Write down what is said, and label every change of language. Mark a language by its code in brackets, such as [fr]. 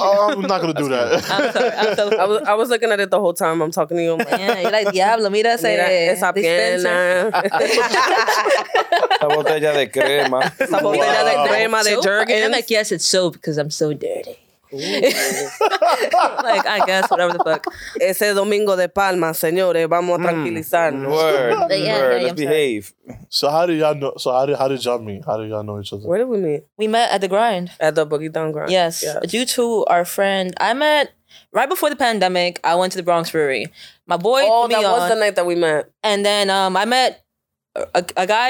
[en] I'm not going to do that. I was looking at it the whole time I'm talking to you. I'm like, yeah, you're like, [es] diablo, mira, [en] say [es] esa pierna. Esa botella de crema. Esa botella de crema de Jergens. [en] I'm like, yes, it's soap because I'm so dirty. Like, I guess, whatever the fuck. [es] Ese domingo de palma, señores, vamos a tranquilizarnos. [en] Word, let's behave. So how did y'all know, how did y'all meet? How did y'all know each other? Where did we meet? We met at the grind. At the Boogie Down Grind. Yes, due to our friend, I met... Right before the pandemic, I went to the Bronx Brewery. My boy put me on. Oh, that was the night that we met. And then I met a guy.